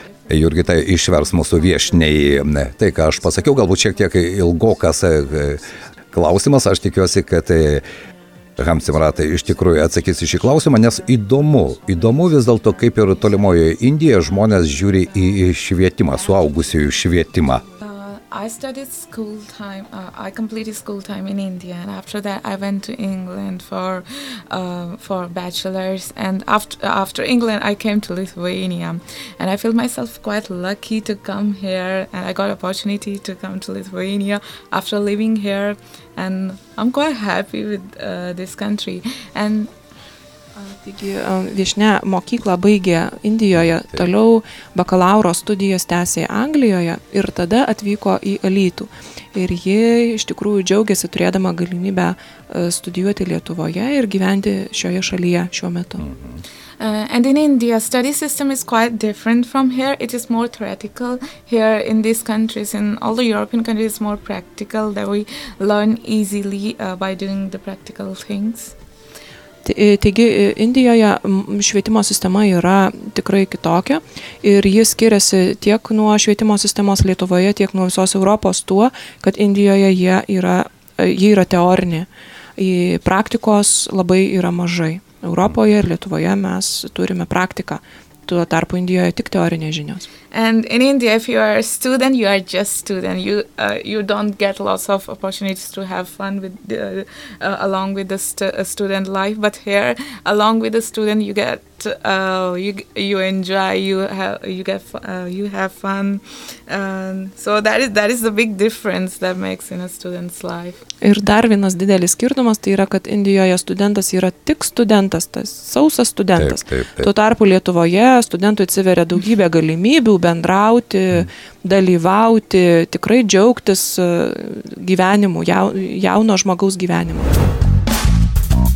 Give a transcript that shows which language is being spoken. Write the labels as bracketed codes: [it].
[lt] Jurgita išvers mūsų viešniai tai, ką aš pasakiau, galbūt šiek tiek ilgokas klausimas. Aš tikiuosi, kad Harsimrat iš tikrųjų atsakys į šį klausimą, nes įdomu vis dėlto, kaip ir tolimojoje Indijoje žmonės žiūri į švietimą, suaugusiųjų švietimą. [en] I studied school time, I completed school time in India, and after that I went to England for bachelor's, and after England I came to Lithuania, and I feel myself quite lucky to come here, and I got opportunity to come to Lithuania after living here, and I'm quite happy with this country. And [lt] taigi, viešnia mokyklą baigė Indijoje, toliau bakalauro studijas tęsė Anglijoje ir tada atvyko į Alytų. Ir ji iš tikrųjų džiaugiasi turėdama galimybę studijuoti Lietuvoje ir gyventi šioje šalyje šiuo metu. [en] And in India, study system is quite different from here. It is more theoretical here in these countries. In all the European countries, it's more practical that we learn easily by doing the practical things. [lt] Taigi, Indijoje švietimo sistema yra tikrai kitokia ir jis skiriasi tiek nuo švietimo sistemos Lietuvoje, tiek nuo visos Europos tuo, kad Indijoje jie yra teorinė. Praktikos labai yra mažai. Europoje ir Lietuvoje mes turime praktiką. Tuo tarpu Indijoje tik teorinės žinios. [en] And in India, if you are a student, you are just student. You don't get lots of opportunities to have fun with along with the student life. But here, along with the student, you get you enjoy, you have fun. So that is the big difference that makes in a student's life. [lt] Ir dar vienas didelis skirtumas tai yra, kad Indijoje studentas yra tik studentas, tas sausas studentas. Tuo tarpu Lietuvoje studentui atsiveria daugybė galimybių bendrauti, dalyvauti, tikrai džiaugtis gyvenimu, jauno žmogaus gyvenimu.